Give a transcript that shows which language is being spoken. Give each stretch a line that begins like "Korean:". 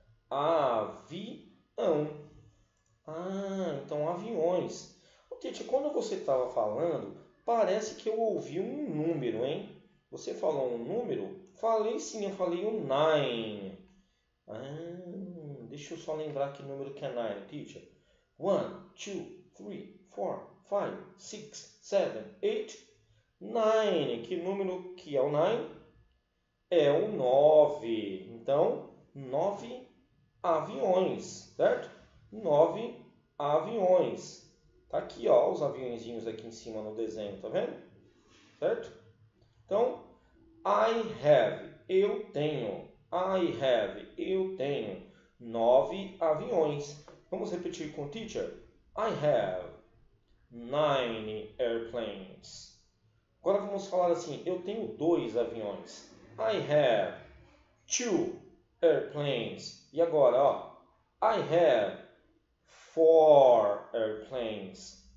Portuguese: Avião. Ah, então aviões. O Tietchan, quando você estava falando, Parece que eu ouvi um número, hein? Você falou um número? Falei sim, eu falei o nine. Ah, deixa eu só lembrar que número que é nine, teacher.
English: One, two, three, four, five, six, seven, eight, nine.
Portuguese: Que número que é o nine? É o nove. Então, nove aviões, certo? Nove aviões. Tá aqui, ó, os aviõezinhos aqui em cima no desenho, tá vendo? Certo? Então,
English: I have,
Portuguese: eu tenho.
English: I have,
Portuguese: eu tenho nove aviões. Vamos repetir com o teacher?
English: I have nine airplanes.
Portuguese: Agora vamos falar assim, eu tenho dois aviões.
English: I have two airplanes.
Portuguese: E agora, ó,
English: I have four airplanes.